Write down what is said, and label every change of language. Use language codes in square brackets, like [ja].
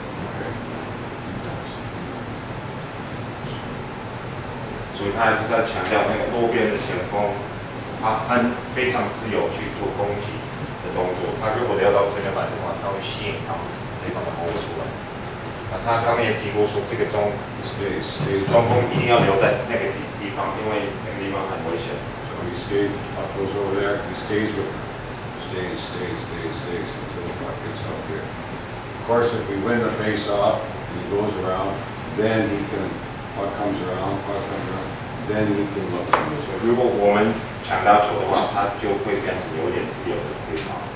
[en] Okay. So he has to emphasize that the left winger is very free to make offensive moves. [zh] 他刚刚也提过说，这个中锋一定要留在那个地方，因为那个地方很危险。 [en] he stays, puck goes over there, he stays with him. Stays until the puck gets out here. Of course, if we win the faceoff, he goes around, then he can, puck comes around, then he can look at me. So, [zh] 如果我们抢到球的话，他就会变成有点自由的对方。